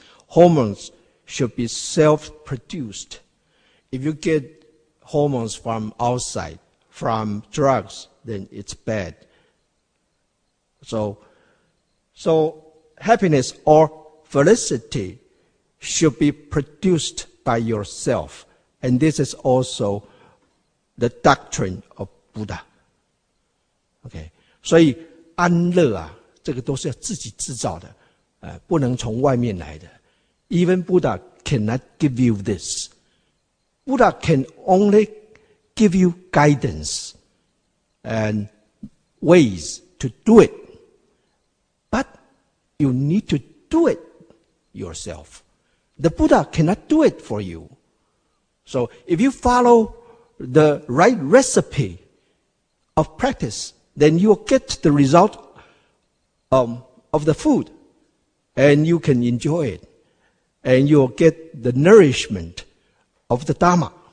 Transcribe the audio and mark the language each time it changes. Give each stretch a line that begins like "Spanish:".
English: Hormones should be self-produced. If you get hormones from outside, from drugs, then it's bad. So happiness or felicity should be produced by yourself. And this is also the doctrine of Buddha. Okay.
Chinese: 所以安乐啊, 这个都是要自己制造的, 不能从外面来的。
English: Even Buddha cannot give you this. Buddha can only give you guidance and ways to do it. But you need to do it yourself. The Buddha cannot do it for you. So if you follow the right recipe of practice, then you'll get the result of the food, and you can enjoy it, and you'll get the nourishment of the Dharma.